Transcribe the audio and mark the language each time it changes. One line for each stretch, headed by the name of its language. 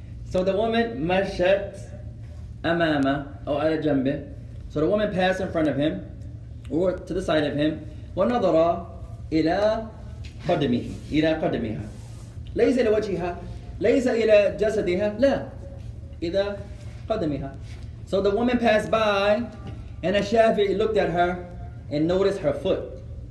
English: So the woman
Arabic: مشت أمامه أو على جنبه.
English: So the woman passed in front of him or to the side of him.
Arabic: ونظر إلى قدمه, إلى قدمها. ليس إلى وجهها, ليس إلى جسدها, لا, إلى قدمها.
English: So the woman passed by and a Shafi'i looked at her and noticed her foot.